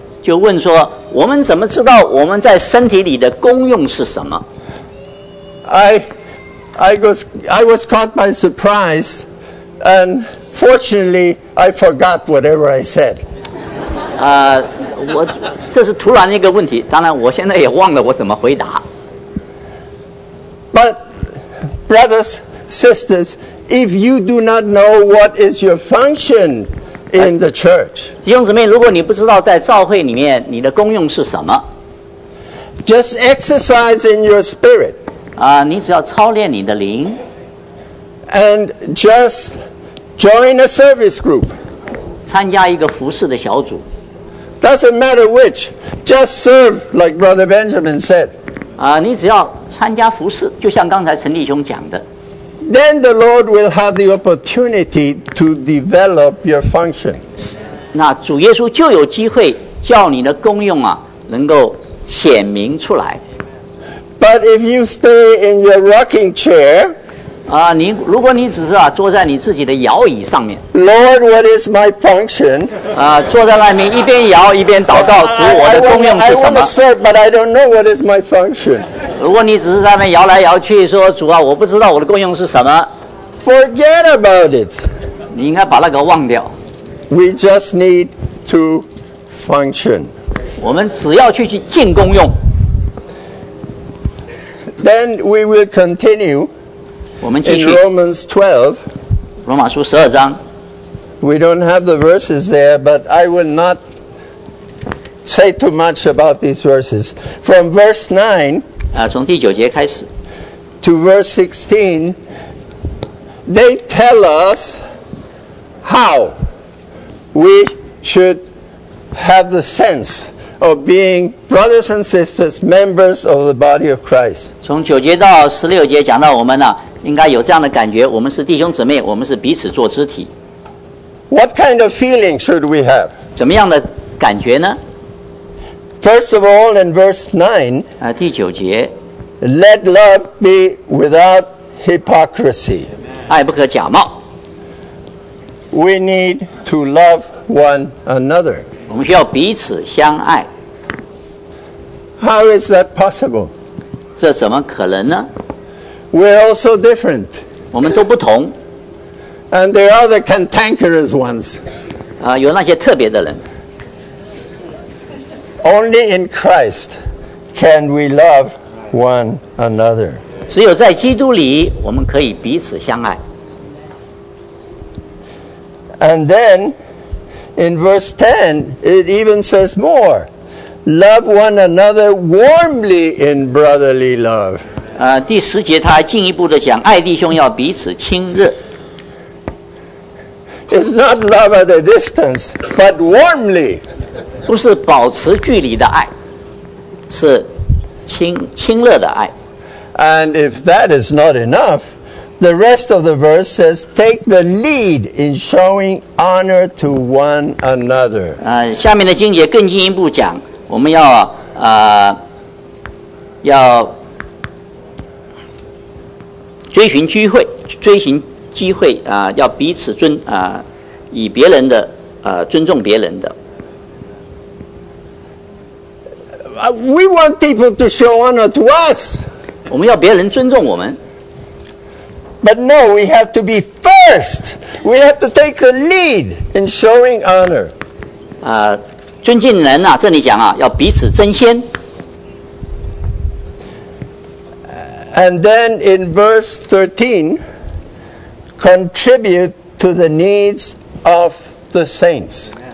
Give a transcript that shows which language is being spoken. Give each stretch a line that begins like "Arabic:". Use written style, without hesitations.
Chinese: 就问说，我们怎么知道我们在身体里的功用是什么？
English: I was caught by surprise, and fortunately, I forgot whatever I said.
Chinese: 我这是突然一个问题，当然我现在也忘了我怎么回答。
English: But brothers, sisters, if you do not know what is your function. In the church,
Chinese: 弟兄姊妹，如果你不知道在教会里面你的功用是什么
English: ，just exercise in your spirit.
Chinese: 你只要操练你的灵
English: ，and just join a service group.
Chinese: 参加一个服事的小组
English: ，doesn't matter which, just serve like Brother Benjamin said.
Chinese: 你只要参加服事，就像刚才陈弟兄讲的。
English: Then the Lord will have the opportunity to develop your function.
Chinese: 那主耶稣就有机会叫你的功用啊，能够显明出来。
English: But if you stay in your rocking chair,
Chinese: 你如果你只是坐在你自己的摇椅上面
English: ，Lord, what is my function?
Chinese: 坐在那边一边摇一边祷告，主我的功用是什么
English: ？I want to serve, but I don't know what is my function.
Chinese: 如果你只是在那摇来摇去说主啊我不知道我的功用是什么
English: Forget about it
Chinese: 你应该把那个忘掉
English: We just need to function
Chinese: 我们只要去尽功用
English: Then we will continue
Chinese: 我们继续
English: In Romans 12
Chinese: 罗马书十二章
English: We don't have the verses there but I will not say too much about these verses From verse 9
Chinese: 从第九节开始
English: to verse 16 they tell us how we should have the sense of being brothers and sisters members of the body of Christ
Chinese: 从九节到十六节讲到我们应该有这样的感觉我们是弟兄姊妹我们是彼此做肢体
English: what kind of feeling should we have
Chinese: 怎么样的感觉呢
English: First of all, in verse 9,
Chinese: 第九节
English: let love be without hypocrisy.
Chinese: 爱不可假冒。
English: We need to love one another.
Chinese: 我们需要彼此相爱。
English: How is that possible?
Chinese: 这怎么可能呢？
English: We're all so different.
Chinese: 我们都不同。
English: And there are the cantankerous ones.
Chinese: 有那些特别的人。
English: Only in Christ can we love one another.
Chinese: 只有在基督里，我们可以彼此相爱。
English: And then, in verse 10, it even says more: love one another warmly in brotherly love.
Chinese: 第十节他还进一步的讲，爱弟兄要彼此亲热。
English: It's not love at a distance, but warmly.
Chinese: 不是保持距离的爱，是亲热的爱。
English: And if that is not enough, the rest of the verse says, "Take the lead in showing honor to one another."
Chinese: 下面的经节更进一步讲，我们要要追寻机会，追寻机会要彼此尊以别人的尊重别人的。
English: We want people to show honor to us.
Chinese: 我们要别人尊重我们。
English: But no, we have to be first. We have to take the lead in showing honor.
Chinese: 尊敬人啊，这里讲啊，要彼此争先。
English: And then in verse 13, contribute to the needs of the saints.